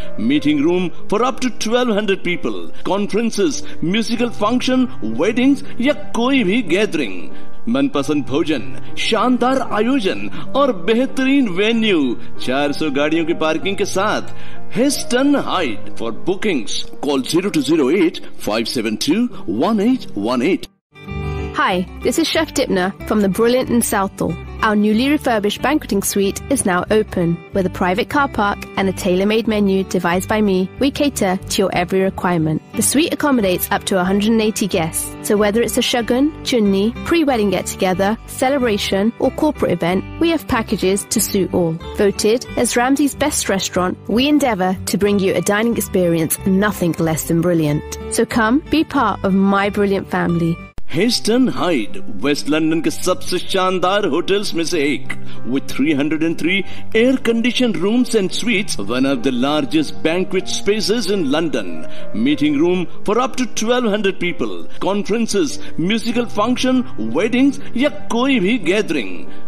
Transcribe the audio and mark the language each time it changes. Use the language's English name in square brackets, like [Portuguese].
[English] meeting room for up to 1200 people conferences musical function weddings [Hindi] या कोई भी gathering मनपसंद भोजन शानदार आयोजन और बेहतरीन वेन्यू 400 गाड़ियों की पार्किंग के साथ [English] Heston Hyde for bookings call 0208-572-1818 Hi, this is Chef Dipna from the Brilliant in Southall. Our newly refurbished banqueting suite is now open. With a private car park and a tailor-made menu devised by me, we cater to your every requirement. The suite accommodates up to 180 guests. So whether it's a shogun, chunni, pre-wedding get-together, celebration or corporate event, we have packages to suit all. Voted as Ramsay's best restaurant, we endeavor to bring you a dining experience nothing less than brilliant. So come, be part of my brilliant family. Heston Hyde [Hindi] waste London के सबसे शानदार hotels में से एक [English] with 303 air condition rooms and suites one of the largest banquet spaces in London meeting room for up to 1200 people conferences musical function weddings [Hindi] या कोई भी gathering